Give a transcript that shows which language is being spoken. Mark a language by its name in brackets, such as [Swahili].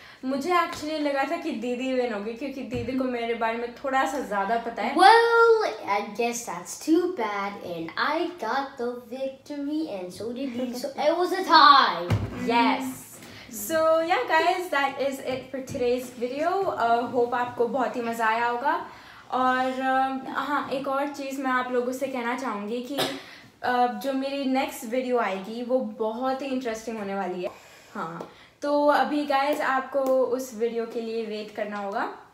[Hindi] मुझे एक्चुअली लगा था कि दीदी विन होगी क्योंकि दीदी को मेरे बारे में थोड़ा सा ज्यादा पता है. [English] Well, I guess that's too bad and I got the victory and so did you. So it was a tie. Yes. So yeah guys, that is it for today's video. Hope [Hindi] आपको बहुत ही मजा आया होगा. और हाँ, एक और चीज मैं आप लोगों से कहना चाहूंगी कि जो मेरी नेक्स्ट वीडियो आएगी वो बहुत ही इंटरेस्टिंग होने वाली है. हाँ तो अभी गाइज आपको उस वीडियो के लिए वेट करना होगा.